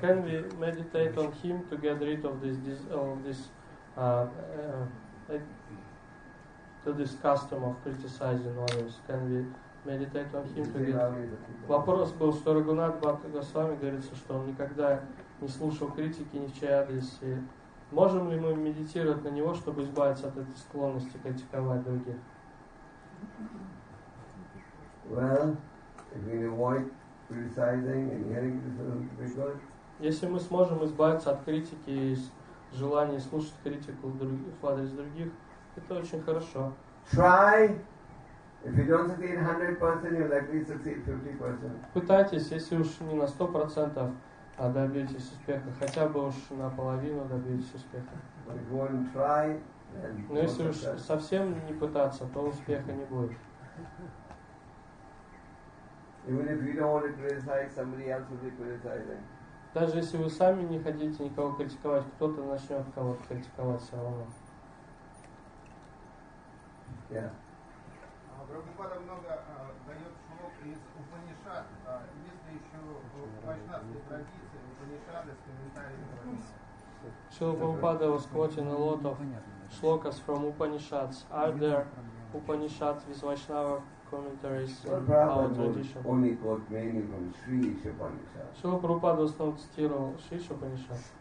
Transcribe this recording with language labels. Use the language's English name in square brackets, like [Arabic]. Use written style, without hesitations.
[English] Can we meditate on him to get rid of this custom of criticizing others? Can we meditate on him to get... [Russian] Вопрос был, что Рагунат Бхатта Госвами говорится, что он никогда не слушал критики ни в чей адрес. И можем ли мы медитировать на него, чтобы избавиться от этой склонности критиковать других? [English] Well, if we avoid criticizing and hearing criticism, we good. [Russian] Если мы сможем избавиться от критики и желания слушать критику в адрес других, это очень хорошо. [English] Try. If you don't succeed 100%, you'll likely succeed 50%. [Russian] Пытайтесь, если уж не на 100%, а добьетесь успеха, хотя бы уж наполовину добьетесь успеха. [English] If you won't try, [Russian] Но если уж совсем не пытаться, то успеха не будет. [English] Even if you don't want to criticize, somebody else will be criticizing. [Russian] Даже если вы сами не хотите никого критиковать, кто-то начнет кого-то критиковать все равно. [English] Yeah. [Russian] Прабхупада много дает слов из Упанишад. Есть ли еще в вайшнавской традиции Упанишады с комментариями? [English] Шрила Прабхупада was quoting a lot of shlokas from Upanishads. Are there Upanishads with Vaishnava commentaries in our tradition? Only quote mainly from Sri Upanishad. [Russian] Шрила Прабхупада в основном цитировал Шри Упанишад.